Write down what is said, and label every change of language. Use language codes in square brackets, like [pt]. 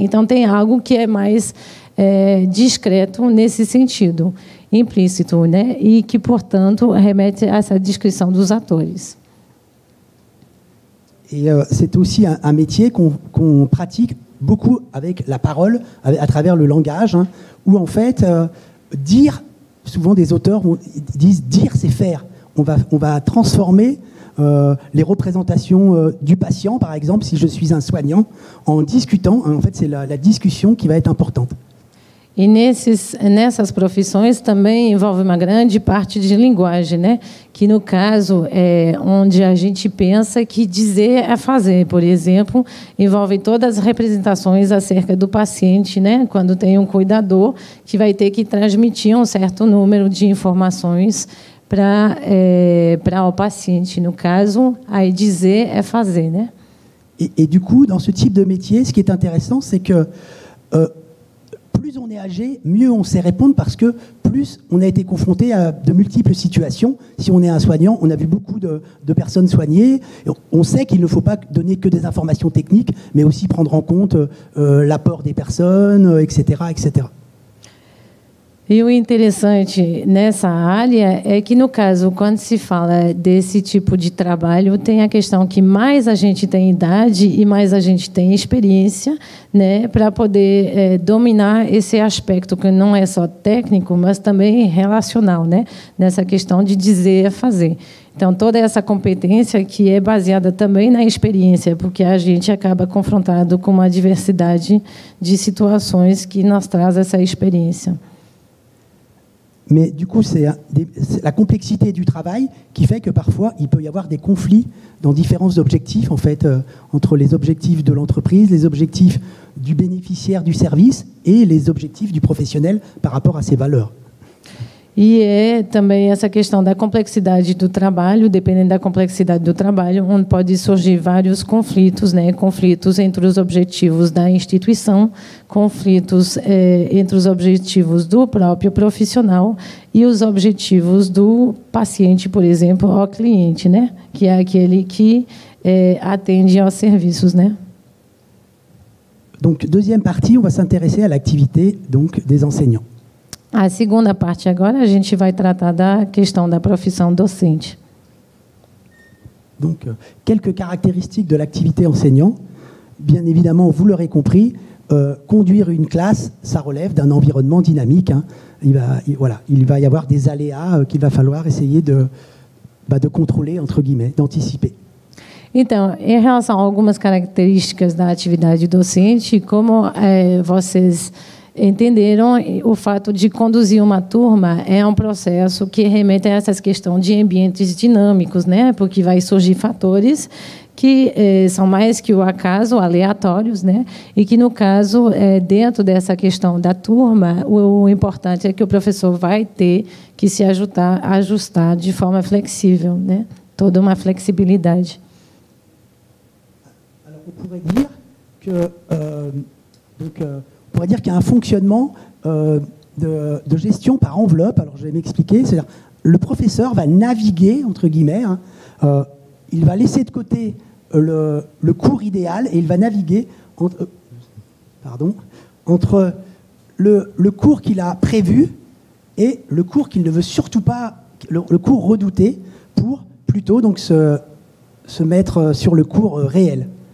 [pt] Então tem algo que é mais discreto nesse sentido, implícito, né? E que portanto remete a essa discrição dos atores. [fr] Et c'est aussi un métier qu'on pratique beaucoup avec la parole, à travers le langage, hein, où en fait, dire, souvent des auteurs disent dire, c'est faire. On va transformer les représentations du patient, par exemple, si je suis un soignant, en discutant. Hein, en fait, c'est la discussion qui va être importante. [pt] E nessas profissões também envolve uma grande parte de linguagem, né? Que no caso é onde a gente pensa que dizer é fazer, por exemplo, envolve todas as representações acerca do paciente, né? Quando tem um cuidador que vai ter que transmitir um certo número de informações para o paciente. No caso, aí dizer é fazer, né? [fr] E du coup, dans ce type de métier, ce qui est intéressant, c'est que plus on est âgé, mieux on sait répondre parce que plus on a été confronté à de multiples situations. Si on est un soignant, on a vu beaucoup de personnes soignées. On sait qu'il ne faut pas donner que des informations techniques, mais aussi prendre en compte l'apport des personnes, etc., etc. [pt] E o interessante nessa área é que, no caso, quando se fala desse tipo de trabalho, tem a questão que mais a gente tem idade e mais a gente tem experiência, né, para poder dominar esse aspecto que não é só técnico, mas também relacional, né, nessa questão de dizer e fazer. Então, toda essa competência que é baseada também na experiência, porque a gente acaba confrontado com uma diversidade de situações que nos traz essa experiência. [fr] Mais du coup, c'est la complexité du travail qui fait que parfois, il peut y avoir des conflits dans différents objectifs, en fait, entre les objectifs de l'entreprise, les objectifs du bénéficiaire du service et les objectifs du professionnel par rapport à ses valeurs. [pt] E é também essa questão da complexidade do trabalho, dependendo da complexidade do trabalho, onde pode surgir vários conflitos, né? Conflitos entre os objetivos da instituição, conflitos entre os objetivos do próprio profissional e os objetivos do paciente, por exemplo, ou cliente, né? Que é aquele que atende aos serviços, né? [fr] Donc, deuxième partie, on va s'intéresser à l'activité donc des enseignants. [pt] A segunda parte agora a gente vai tratar da questão da profissão docente. [fr] Donc, quelques caractéristiques de l'activité enseignant. Bien évidemment, vous l'aurez compris, conduire une classe, ça relève d'un environnement dynamique. Hein. Il va y avoir des aléas qu'il va falloir essayer de contrôler, entre guillemets, d'anticiper. [pt] Então, em relação a algumas características da atividade docente, como vocês entenderam, o fato de conduzir uma turma é um processo que remete a essas questões de ambientes dinâmicos, né? Porque vai surgir fatores que são mais que o acaso, aleatórios, né? E que, no caso, dentro dessa questão da turma, o importante é que o professor vai ter que se ajustar de forma flexível, né? Toda uma flexibilidade. [fr] On pourrait dire que on pourrait dire qu'il y a un fonctionnement de gestion par enveloppe. Alors je vais m'expliquer. C'est-à-dire le professeur va naviguer entre guillemets. Hein, il va laisser de côté le cours idéal et il va naviguer entre le cours qu'il a prévu et le cours qu'il ne veut surtout pas, le cours redouté, pour plutôt donc se mettre sur le cours réel.